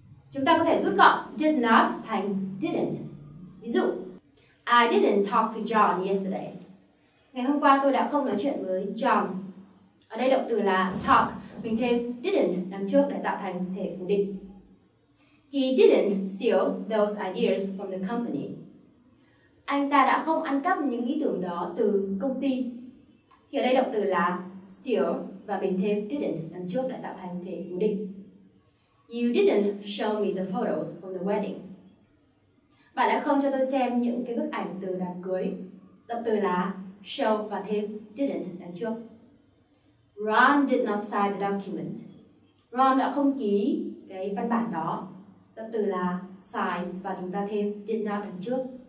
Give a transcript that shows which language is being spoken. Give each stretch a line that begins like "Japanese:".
Vietnamese: Chúng ta có thể rút gọn did not thành didn't. Ví dụ,
English: I didn't talk to John yesterday.
Vietnamese: Ngày hôm qua tôi đã không nói chuyện với John. Ở đây động từ là talk, mình thêm didn't đằng trước để tạo thành thể phủ định.
English: He didn't steal those ideas from the company.
Vietnamese: Anh ta đã không ăn cắp những ý tưởng đó từ công ty. Thì ở đây động từ là steal và mình thêm didn't đằng trước để tạo thành thể phủ định.
English: You didn't show me the photos from the wedding.
Vietnamese: Bạn đã không cho tôi xem những cái bức ảnh từ đám cưới. Động từ là show và thêm didn't đằng trước.
English: Ron did not sign the document.
Vietnamese: Ron đã không ký cái văn bản đó. Động từ là sign và chúng ta thêm did not đằng trước.